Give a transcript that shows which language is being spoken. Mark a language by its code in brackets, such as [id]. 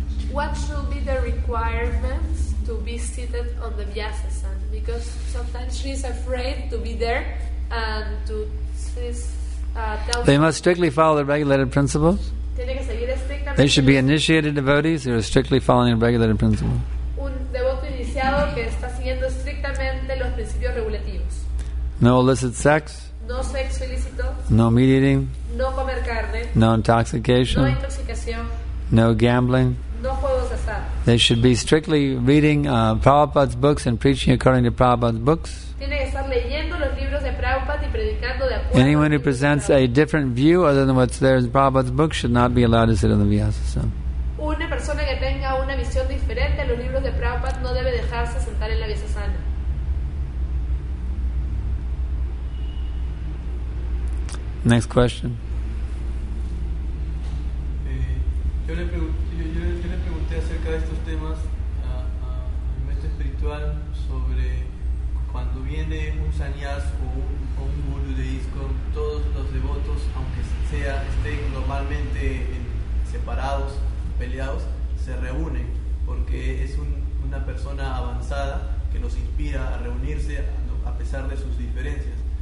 [en] what should be the requirements to be seated on the Vyasasana? Because sometimes she is afraid to be there and to tell. They must strictly follow the regulated principles. They should be initiated devotees who are strictly following the regulated principles. [es] Un devoto iniciado que está siguiendo estrictamente los principios regulativos. [en] No illicit sex. [es] No sexo ilícito. [en] No meat eating. [es] No comer carne. [en] No intoxication. [es] No intoxicación. [en] No gambling. [es] No juegos de azar. [en] They should be strictly reading Prabhupada's books and preaching according to Prabhupada's books. [es] Tiene que estar leyendo los libros de Prabhupada y predicando de acuerdo. [en] Anyone who presents a different view other than what's there in Prabhupada's book should not be allowed to sit in the Vyasasana. [es] Una persona que tenga una visión diferente a los libros de Prabhupada no debe dejarse sentar en la Vyasasana. [en] Next question. [es] Yo le pregunté acerca de estos temas a mi maestro espiritual sobre cuando viene un sannyas o un guru de ISKCON, todos los devotos, aunque estén normalmente separados, peleados, se reúnen, porque es una persona avanzada que nos inspira a reunirse a pesar de sus diferencias.